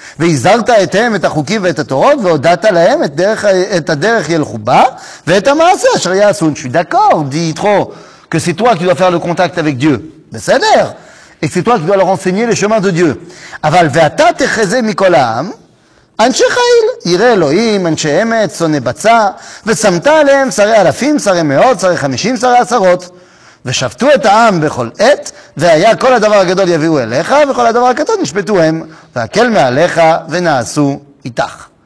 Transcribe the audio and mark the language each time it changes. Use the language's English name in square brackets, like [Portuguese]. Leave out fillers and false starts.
[Hebrew] והזהרת אתם את החוקים ואת התורות, והודעת להם את דרך, את הדרך ילכו בה, ואת המעשה אשר יעשו. [French] Je suis d'accord, dit Yitro, que c'est toi qui dois faire le contact avec Dieu. [Hebrew] בסדר. [French] Et c'est toi qui dois leur enseigner les chemins de Dieu. [Hebrew] אבל ואתה תחזה מכל העם, אנשי חיל, ירא אלוהים, אנשי אמת, שונא בצע, ושמת עליהם שרי אלפים, שרי מאות, שרי חמישים, שרי עשרות. ושפטו את העם בכל עת, והיה כל הדבר הגדול יביאו אליך, וכל הדבר הקטן נשפטו הם, והקל מעליך ונעשו איתך.